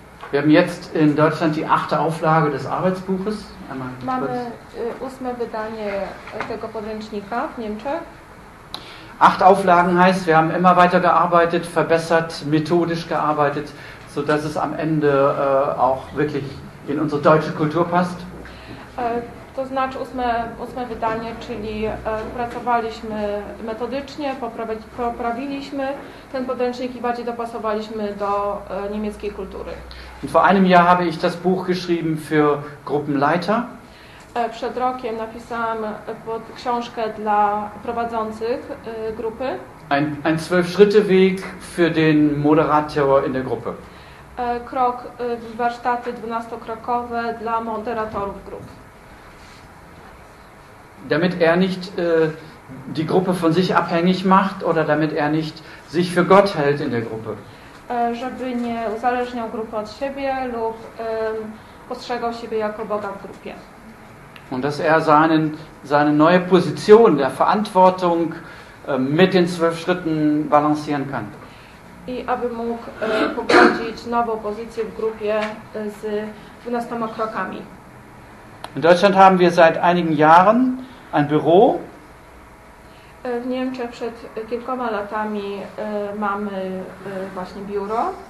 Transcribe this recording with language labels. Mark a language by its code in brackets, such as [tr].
[de] Wir haben jetzt in Deutschland die 8. Auflage des Arbeitsbuches. [pl] Mamy 8. wydanie tego podręcznika w Niemczech. [de] 8 Auflagen heißt, wir haben immer weiter gearbeitet, verbessert, methodisch gearbeitet, so dass es am Ende auch wirklich in unsere deutsche Kultur passt. [pl] To znaczy 8. wydanie, czyli pracowaliśmy metodycznie, poprawiliśmy ten podręcznik i bardziej dopasowaliśmy do niemieckiej kultury. [de] Und vor einem Jahr habe ich das Buch geschrieben für Gruppenleiter. [pl] Przed rokiem napisałam książkę dla prowadzących grupy. [de] Ein 12-Schritte-Weg für den Moderator in der Gruppe. [pl] Krok, warsztaty 12-krokowe dla moderatorów grup. [de] Damit er nicht die Gruppe von sich abhängig macht oder damit er nicht sich für Gott hält in der Gruppe. [pl] Żeby nie uzależniał grupy od siebie lub postrzegał siebie jako Boga w grupie. [de] Und dass er seine neue Position der Verantwortung mit den 12 Schritten balancieren kann. [pl] I aby mógł poprowadzić nową pozycję w grupie z 12 krokami. [de] In Deutschland haben wir seit einigen Jahren ein Büro. [pl] W Niemczech przed kilkoma latami mamy właśnie biuro.